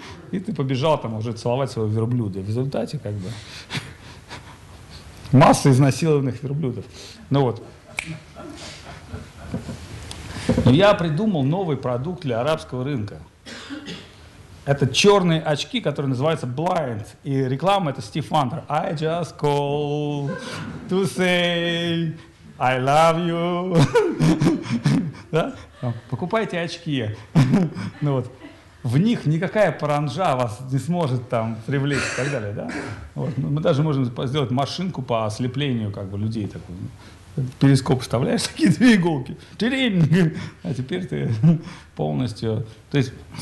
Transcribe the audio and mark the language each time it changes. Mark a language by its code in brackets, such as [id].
[ru] И ты побежал там уже целовать своего верблюда. В результате как бы масса изнасилованных верблюдов. Ну вот. Но я придумал новый продукт для арабского рынка. Это черные очки, которые называются blind. И реклама это Стив Вандер. [en] I just called to say I love you. [ru] Да? Покупайте очки. Ну вот. В них никакая паранджа вас не сможет там привлечь и так далее. Да? Вот. Мы даже можем сделать машинку по ослеплению как бы, людей. Такую. Перископ вставляешь, такие две иголки. Тиринь! А теперь ты полностью... То есть...